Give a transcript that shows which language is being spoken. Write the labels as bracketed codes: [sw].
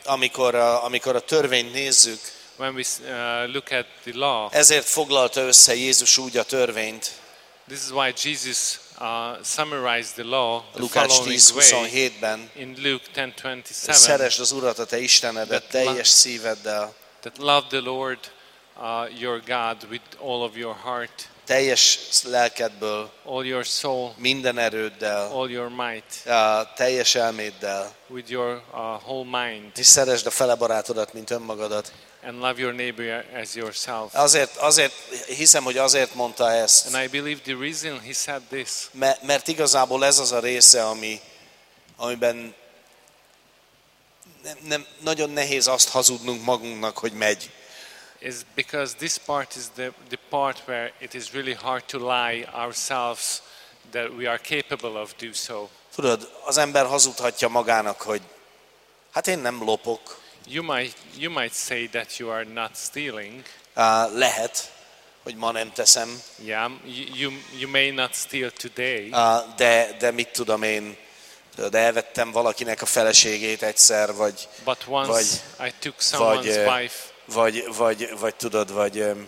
[hu] Amikor a törvényt nézzük, [en] when we look at the law, [hu] ezért foglalta össze Jézus úgy a törvényt. [en] This is why Jesus summarized the law [hu] Lukács 10:27-ben. [en] In Luke 10:27. [hu] Szeresd az Urat a te Istenedet teljes szíveddel. [en] That love the Lord your God with all of your heart. [hu] Teljes lelkedből. [en] All your soul. [hu] Minden erőddel. [en] All your might. [hu] Teljes elméddel. [en] With your whole mind. [hu] És szeresd a fele barátodat, mint önmagadat. [en] And love your neighbor as yourself. [hu] Azért hiszem, hogy azért mondta ezt. [en] And I believe the reason he said this. [hu] Mert igazából ez az a része, amiben nem nagyon nehéz azt hazudnunk magunknak, hogy megy. [en] Is because this part is the part where it is really hard to lie ourselves that we are capable of do so. [hu] Tudod, az ember hazudhatja magának, hogy hát én nem lopok. [en] You might say that you are not stealing. [hu] Lehet, hogy ma nem teszem. [en] Yeah, you may not steal today. [hu] De mit tudom én? De elvettem valakinek a feleségét egyszer, vagy. [en] But once [hu] vagy, [en] I took someone's [hu] vagy, [en] wife. [hu] Vagy tudod, vagy.